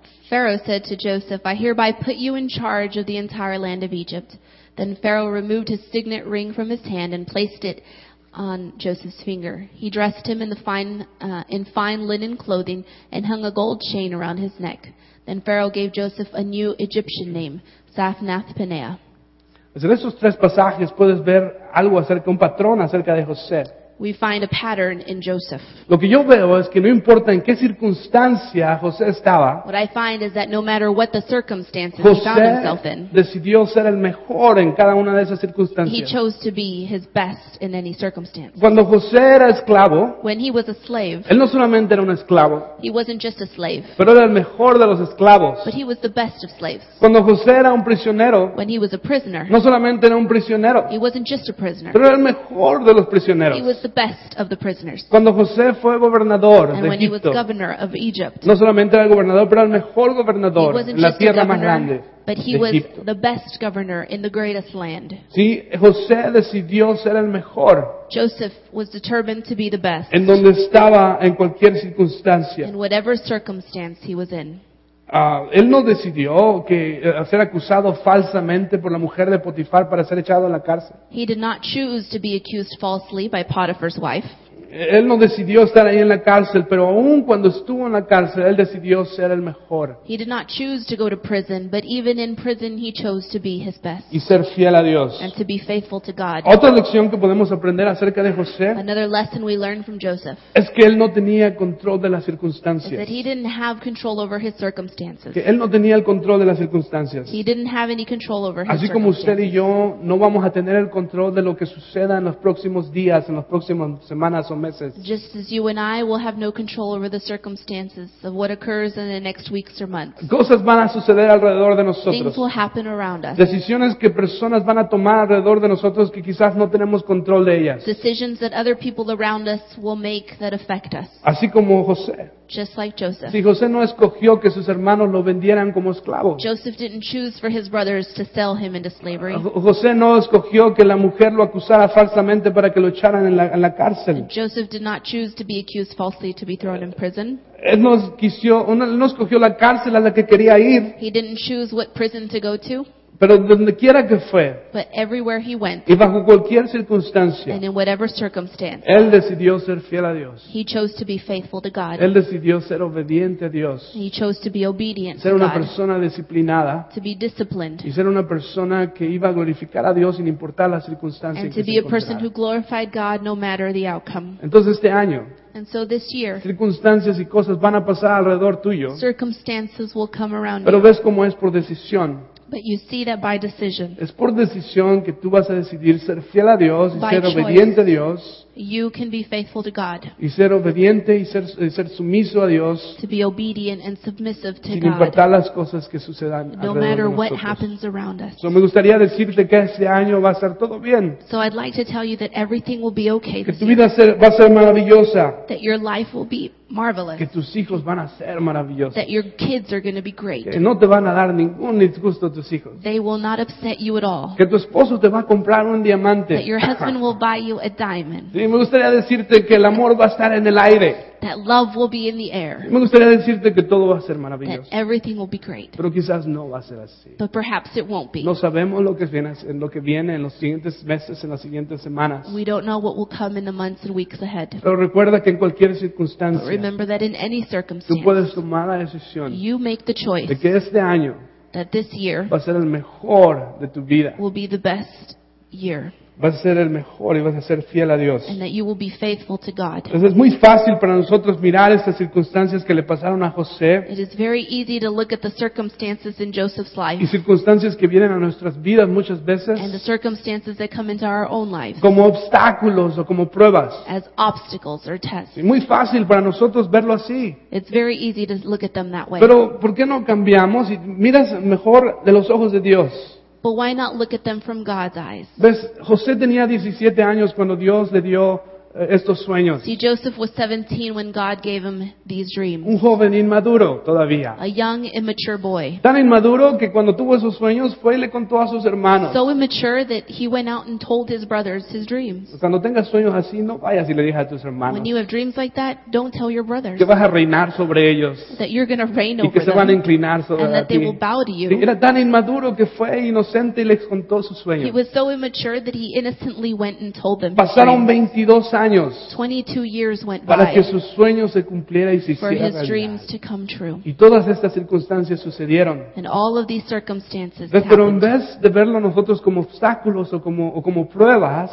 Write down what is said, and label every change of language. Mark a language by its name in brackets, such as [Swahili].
[English] Pharaoh said to Joseph, I hereby put you in charge of the entire land of Egypt. Then Pharaoh removed his signet ring from his hand and placed it on Joseph's finger. He dressed him in fine linen clothing and hung a gold chain around his neck. Then Pharaoh gave Joseph a new Egyptian name, Zaphnath-Paneah. [Spanish] En esos tres pasajes puedes ver algo acerca, un patrón acerca de José. [English] We find a pattern in Joseph. [Spanish] Lo que yo veo es que no importa en qué circunstancia José estaba. [English] What I find is that no matter what the circumstances he found himself in. [Spanish] José decidió ser el mejor en cada una de esas circunstancias. [English] He chose to be his best in any circumstance. [Spanish] Cuando José era esclavo. [English] When he was a slave. [Spanish] Él no solamente era un esclavo. [English] He wasn't just a slave. [Spanish] Pero era el mejor de los esclavos. [English] But he was the best of slaves. [Spanish] Cuando José era un prisionero. [English] When he was a prisoner. [Spanish] No solamente era un prisionero. [English] He wasn't just a prisoner. [Spanish] Pero era el mejor de los prisioneros. [English] He was the best of the prisoners. [Spanish] Cuando José fue gobernador [English] and [Spanish] de [English] when [Spanish] Egipto, [English] he was governor of Egypt, [Spanish] no solamente era el gobernador, pero el mejor gobernador en la tierra más grande. [English] But he was the best governor in the greatest land. [Spanish] Sí, José decidió ser el mejor. [English] Joseph was determined to be the best. [Spanish] En donde estaba, en cualquier circunstancia. [English] In whatever circumstance he was in. [Spanish] Él no decidió que ser acusado falsamente por la mujer de Potifar para ser echado a la cárcel. [English] He did not choose to be accused falsely by Potiphar's wife. [Spanish] Él no decidió estar ahí en la cárcel, pero aún cuando estuvo en la cárcel, él decidió ser el mejor. [English] He did not choose to go to prison, but even in prison, he chose to be his best. [Spanish] Y ser fiel a Dios. [English] And to be faithful to God. [Spanish] Otra lección que podemos aprender acerca de José. [English] Another lesson we learn from Joseph. [Spanish] Es que él no tenía control de las circunstancias. [English] Is that he didn't have control over his circumstances. [Spanish] Que él no tenía el control de las circunstancias. [English] He didn't have any control over his [Spanish] Así como usted y yo, no vamos a tener el control de lo que suceda en los próximos días, en las próximas semanas. [English] Just as you and I will have no control over the circumstances of what occurs in the next weeks or months. [Spanish] Cosas van a suceder alrededor de nosotros. [English] Things will happen around us. [Spanish] Decisiones que personas van a tomar alrededor de nosotros que quizás no tenemos control de ellas. [English] Decisions that other people around us will make that affect us. [Spanish] Así como José. [English] Just like Joseph. [Spanish] Si José no escogió que sus hermanos lo vendieran como esclavo. [English] Joseph didn't choose for his brothers to sell him into slavery. [Spanish] José no escogió que la mujer lo acusara falsamente para que lo echaran en la cárcel. [English] Joseph did not choose to be accused falsely to be thrown in prison. [Spanish] Él no escogió la cárcel a la que quería ir. [English] He didn't choose what prison to go to. [Spanish] Pero donde quiera que fue. [English] But everywhere he went. [Spanish] Y bajo cualquier circunstancia. [English] And in whatever circumstance. [Spanish] Él decidió ser fiel a Dios. [English] He chose to be faithful to God. [Spanish] Él decidió ser obediente a Dios. [English] He chose to be obedient. [Spanish] Ser una [English] God. [Spanish] Persona disciplinada. [English] To be disciplined. [Spanish] Y ser una persona que iba a glorificar a Dios sin importar las circunstancias. [English] And to be a person who glorified God no matter the outcome. [Spanish] Entonces este año. [English] And so this year, [Spanish] circunstancias y cosas van a pasar alrededor tuyo. [English] Circumstances will come around [Spanish] pero ves cómo es por decisión. [English] But you see that by decision. [Spanish] Es por decisión que tú vas a decidir ser fiel a Dios y ser obediente a Dios. [English] You can be faithful to God. [Spanish] Y ser obediente y ser sumiso a Dios. [English] To be obedient and submissive to [Spanish] sin [English] God. [Spanish] Sin importar las cosas que sucedan [English] no [Spanish] alrededor [English] matter [Spanish] de nosotros. [English] What happens around us. [Spanish] So me gustaría decirte que este año va a ser todo bien. [English] So I'd like to tell you that everything will be okay. [Spanish] Que tu vida va a ser maravillosa. [English] That your life will be marvelous. [Spanish] Que tus hijos van a ser maravillosos. [English] That your kids are going to be great. [Spanish] Que no te van a dar ningún disgusto a tus hijos. [English] They will not upset you at all. [Spanish] Que tu esposo te va a comprar un diamante. [English] That your husband will buy you a diamond. [Spanish] Y me gustaría decirte que el amor va a estar en el aire. [English] That love will be in the air. [Spanish] Me gustaría decirte que todo va a ser maravilloso. [English] That everything will be great. [Spanish] Pero quizás no va a ser así. [English] But perhaps it won't be. [Spanish] No sabemos lo que viene en los siguientes meses, en las siguientes semanas. [English] We don't know what will come in the months and weeks ahead. [Spanish] Pero recuerda que en cualquier circunstancia. [English] But remember that in any circumstance. [Spanish] Tú puedes tomar la decisión. [English] You make the choice. [Spanish] De que este año. [English] That this year. [Spanish] Va a ser el mejor de tu vida. [English] Will be the best year. [Spanish] Vas a ser el mejor y vas a ser fiel a Dios. [English] And that you will be faithful to God. [Spanish] Entonces es muy fácil para nosotros mirar estas circunstancias que le pasaron a José. [English] It is very easy to look at the circumstances in Joseph's life. [Spanish] Y circunstancias que vienen a nuestras vidas muchas veces. [English] And the circumstances that come into our own lives. [Spanish] Como obstáculos o como pruebas. [English] As obstacles or tests. [Spanish] Y muy fácil para nosotros verlo así. [English] It's very easy to look at them that way. [Spanish] Pero ¿por qué no cambiamos y miras mejor de los ojos de Dios? [English] But why not look at them from God's eyes? [Spanish] ¿Ves? José tenía 17 años cuando Dios le dio estos sueños. [English] See, Joseph was 17 when God gave him these dreams. [Spanish] Un joven inmaduro todavía. [English] A young, immature boy. [Spanish] Tan inmaduro que cuando tuvo esos sueños fue y le contó a sus hermanos. [English] So immature that he went out and told his brothers his dreams. [Spanish] Cuando tengas sueños así, no vayas y le digas a tus hermanos. [English] When you have dreams like that, don't tell your brothers. [Spanish] Que vas a reinar sobre ellos. [English] That you're going to reign over [Spanish] them. Y que se van a inclinar sobre [English] ti. And that they will bow to you. [Spanish] Era tan inmaduro que fue inocente y les contó sus sueños. [English] He was so immature that he innocently went and told them. [Spanish] Pasaron 22 años. [English] 22 years went by [Spanish] para que sus sueños se cumpliera y se hiciera [English] realidad. For his dreams to come true. [Spanish] Y todas estas circunstancias sucedieron. [English] And all of these circumstances happened. [Spanish] Pero en vez de verlo nosotros como obstáculos o como pruebas,